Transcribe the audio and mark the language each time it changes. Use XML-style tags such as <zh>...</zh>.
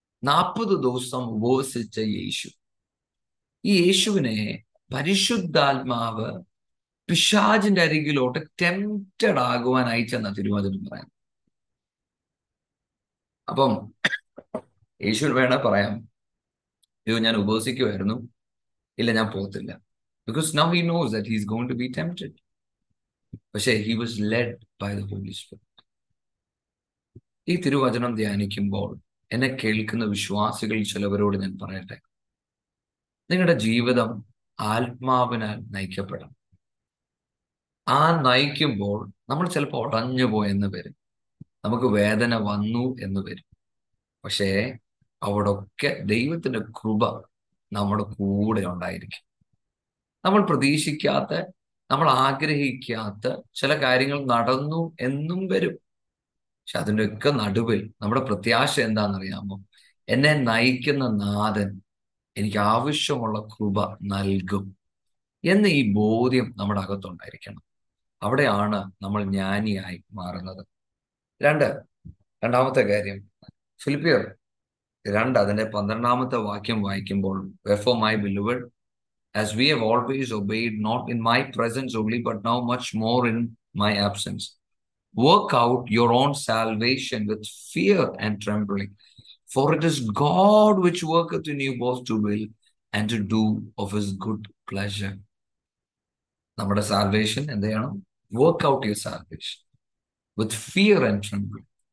<ml>40 ദിവസം ഉപവസിച്ച യേശു, ഈ യേശുവിനെ പരിശുദ്ധാത്മാവ് പിശാചിന്റെ അരികിലോട്ട് ടെംപ്റ്റഡ് ആകുവാൻ അയച്ചെന്ന തിരുവചനം പറയാം. അപ്പം യേശു വേണേ പറയാം, അയ്യോ ഞാൻ ഉപവസിക്കുമായിരുന്നു, ഇല്ല ഞാൻ പോകത്തില്ല.</ml> <en>Because now he knows that he is going to be tempted.</en> <ml>പക്ഷെ</ml> <en>he was led by the Holy Spirit.</en> <ml>ഈ തിരുവചനം ധ്യാനിക്കുമ്പോൾ എന്നെ കേൾക്കുന്ന വിശ്വാസികൾ ചിലവരോട് ഞാൻ പറയട്ടെ, നിങ്ങളുടെ ജീവിതം ആത്മാവിനാൽ നയിക്കപ്പെടണം. ആ നയിക്കുമ്പോൾ നമ്മൾ ചിലപ്പോൾ ഉടഞ്ഞു പോയെന്ന് വരും, നമുക്ക് വേദന വന്നു എന്ന് വരും. പക്ഷേ അവിടെ ഒക്കെ ദൈവത്തിൻ്റെ കൃപ നമ്മുടെ കൂടെ ഉണ്ടായിരിക്കും. നമ്മൾ പ്രതീക്ഷിക്കാത്ത, നമ്മൾ ആഗ്രഹിക്കാത്ത ചില കാര്യങ്ങൾ നടന്നു എന്നും വരും. പക്ഷെ അതിൻ്റെയൊക്കെ നടുവിൽ നമ്മുടെ പ്രത്യാശ എന്താണെന്നറിയാമോ? എന്നെ നയിക്കുന്ന നാഥൻ എനിക്ക് ആവശ്യമുള്ള കൃപ നൽകും എന്ന ഈ ബോധ്യം നമ്മുടെ അകത്തുണ്ടായിരിക്കണം. അവിടെയാണ് നമ്മൾ ജ്ഞാനിയായി മാറുന്നത്. രണ്ടാമത്തെ കാര്യം, ഫിലിപ്പിയർ 2:12 വാക്യം വായിക്കുമ്പോൾ,</ml> <en>വെഫോ my ബിലുവൾ As we have always obeyed, not in my presence only, but now much more in my absence. Work out your own salvation with fear and trembling. For it is God which worketh in you both to will and to do of his good pleasure.</en> <ml>Namada salvation endeyano?</ml> <en>Work out your salvation with fear and trembling.</en>